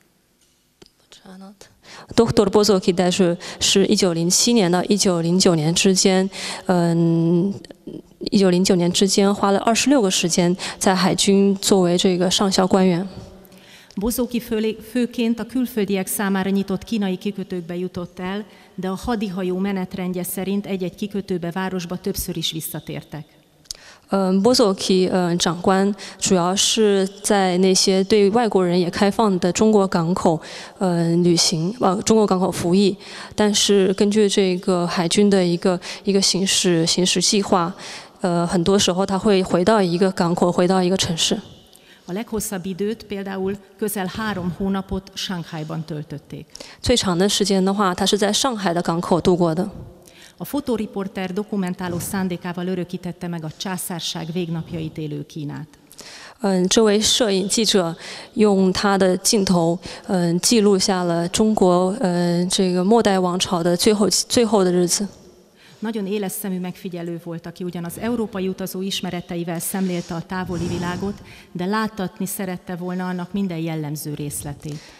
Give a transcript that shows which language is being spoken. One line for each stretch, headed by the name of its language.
Chinese: 在1908年展出的这个同一时间，他也是作为这个共和作为奥匈帝国的医生在海军服役。Doktor Bozóki Dezső 是1907年到1909年之间，1909年之间花了26个时间在海军作为这个上校官员。
Hungarian: Bozóki főként a külföldiek számára nyitott kínai kikötőkbe jutott el, de a hadihajó menetrendje szerint egy-egy kikötőbe városba többször is visszatértek.
Chinese: Bozóki长官主要是在那些对外国人也开放的中国港口旅行，中国港口服役，但是根据这个海军的一个行事计划，很多时候他会回到一个港口，回到一个城市。
Hungarian: A leghosszabb időt például közel 3 hónapot Shanghaiban töltötték.
Chinese: 最长的时间的话，他是在上海的港口度过的。
Hungarian: A fotóriporter dokumentáló szándékával örökítette meg a császárság végnapjait élő Kínát.
Chinese: 这位摄影记者用他的镜头记录下了中国这个末代王朝的最后的日子。
Hungarian: Nagyon éles szemű megfigyelő volt, aki ugyan az európai utazó ismereteivel szemlélte a távoli világot, de láttatni szerette volna annak minden jellemző részletét.